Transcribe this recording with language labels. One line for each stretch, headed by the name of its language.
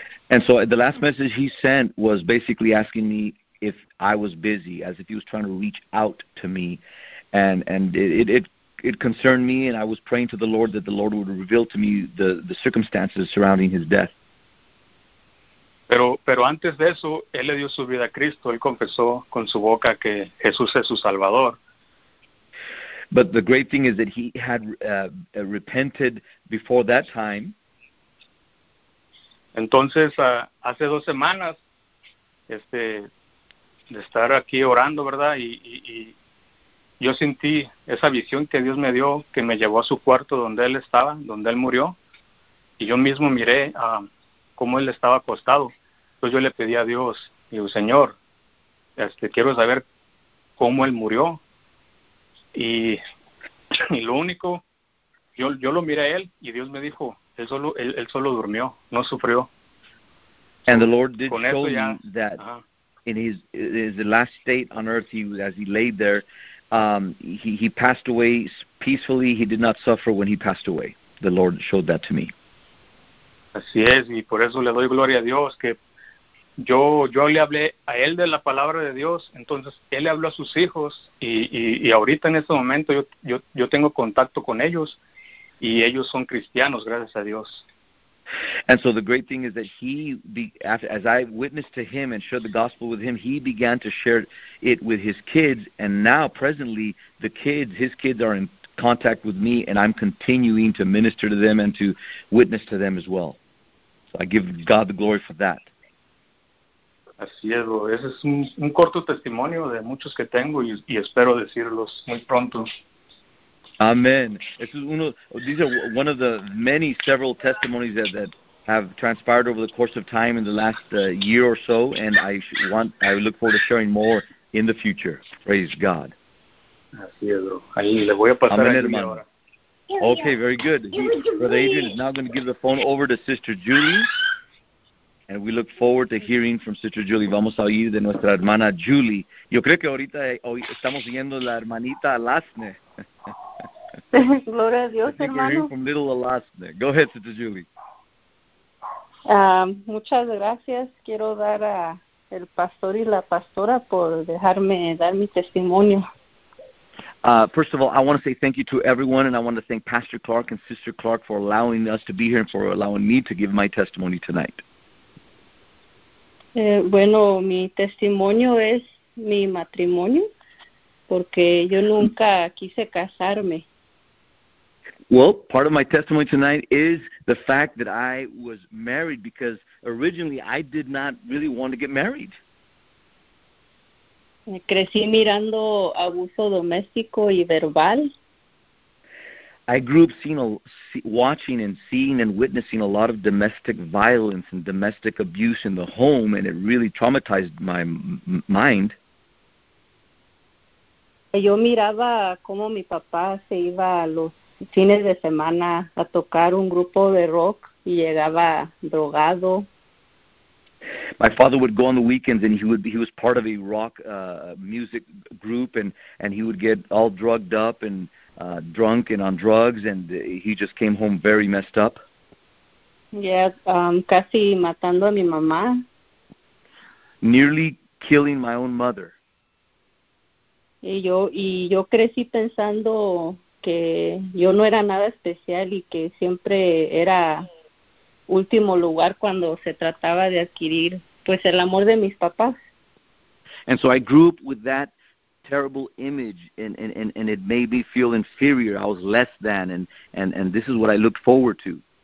English: And so the last message he sent was basically asking me if I was busy, as if he was trying to reach out to me, and it concerned me, and I was praying to the Lord that the Lord would reveal to me the circumstances surrounding his death.
Spanish: Pero antes de eso, él le dio su vida a Cristo. Él confesó con su boca que Jesús es su Salvador.
English: But the great thing is that he had repented before that time.
Spanish: Entonces, hace dos semanas, de estar aquí orando, ¿verdad? Y yo sentí esa visión que Dios me dio, que me llevó a su cuarto donde él estaba, donde él murió. Y yo mismo miré cómo él estaba acostado. Entonces yo le pedí a Dios, digo, Señor, quiero saber cómo él murió. Y lo único, yo lo miré a él y Dios me dijo, él solo durmió, no sufrió.
English: And the Lord did con show ya, me that in his last state on earth, as he laid there, he passed away peacefully. He did not suffer when he passed away. The Lord showed that to me.
Spanish: Así es, y por eso le doy gloria a Dios, que yo le hablé a él de la palabra de Dios, entonces él le habló a sus hijos, y ahorita en este momento yo tengo contacto con ellos, y ellos son cristianos, gracias a Dios.
English: And so the great thing is that as I witnessed to him and shared the gospel with him, he began to share it with his kids, and now presently his kids are in contact with me, and I'm continuing to minister to them and to witness to them as well. So I give God the glory for that.
Spanish: Así es, ese es un corto testimonio de muchos que tengo y espero decirlos muy pronto.
English: Amen. These are one of the many several testimonies that have transpired over the course of time in the last year or so, and I look forward to sharing more in the future. Praise God.
Spanish: Así es, bro. Ahí le voy a pasar.
English: Amen,
Spanish: a mi
English: hermano. Okay, very good. Brother Adrian is now going to give the phone over to Sister Julie, and we look forward to hearing from Sister Julie.
Spanish: Vamos a oír de nuestra hermana Julie. Yo creo que ahorita hoy estamos oyendo la hermanita Alasne. Gloria a Dios, hermano.
English: I think we're hearing from little Alasne. Go ahead, Sister Julie.
Spanish: Muchas gracias. Quiero dar a el pastor y la pastora por dejarme dar mi testimonio.
English: First of all, I want to say thank you to everyone, and I want to thank Pastor Clark and Sister Clark for allowing us to be here and for allowing me to give my testimony tonight.
Spanish: Bueno, mi testimonio es mi matrimonio, porque yo nunca quise casarme.
English: Well, part of my testimony tonight is the fact that I was married, because originally I did not really want to get married.
Spanish: Crecí mirando abuso doméstico y verbal.
English: I grew up watching and seeing and witnessing a lot of domestic violence and domestic abuse in the home, and it really traumatized my mind.
Spanish: Yo miraba cómo mi papá se iba a los fines de semana a tocar un grupo de rock y llegaba drogado.
English: My father would go on the weekends, and he was part of a rock music group, and he would get all drugged up and drunk and on drugs, and he just came home very messed up.
Spanish: Yeah, casi matando a mi mamá.
English: Nearly killing my own mother.
Spanish: Y yo crecí pensando que yo no era nada especial y que siempre era último lugar cuando se trataba de adquirir, pues, el amor de mis papás.
English: And so I grew up with that terrible image, and it made me feel inferior. I was less than, and this is what I looked forward to.